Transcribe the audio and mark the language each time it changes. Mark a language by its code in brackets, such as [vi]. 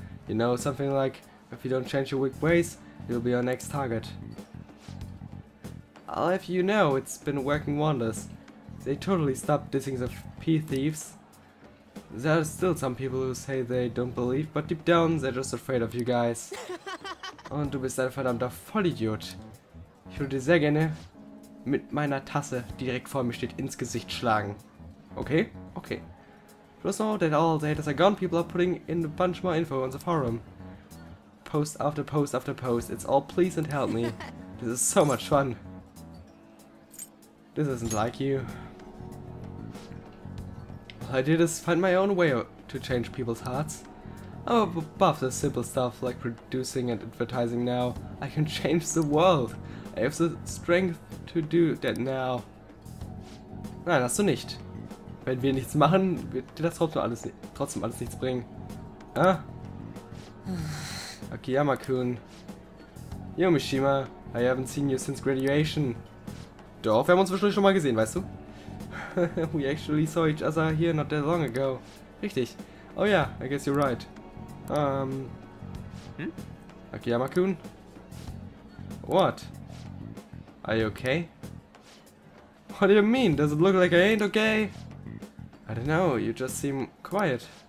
[en] You know, something like, if you don't change your weak ways, you'll be our next target. I'll have you know, it's been working wonders. They totally stopped dissing the P-thieves. There are still some people who say they don't believe, but deep down, they're just afraid of you guys. [de] Und du bist ein verdammter Vollidiot. Ich würde dir sehr gerne mit meiner Tasse, die direkt vor mir steht, ins Gesicht schlagen. [en] Okay? Okay. Plus all that all the haters are gone, people are putting in a bunch more info on the forum. Post after post after post, it's all please and help me. This is so much fun. This isn't like you. I did is find my own way to change people's hearts. I'm above the simple stuff like producing and advertising now. I can change the world. I have the strength to do that now. [de] Nein, hast du nicht. Wenn wir nichts machen, wird dir das trotzdem alles nichts bringen. Ah? Akiyama-kun. [en] Yomishima, I haven't seen you since graduation. [de] Doch, wir haben uns wahrscheinlich schon mal gesehen, weißt du? [en] We actually saw each other here not that long ago. [de] Richtig. [en] Oh yeah, I guess you're right. Akiyama-kun? What? Are you okay? What do you mean? Does it look like I ain't okay? I don't know, you just seem quiet.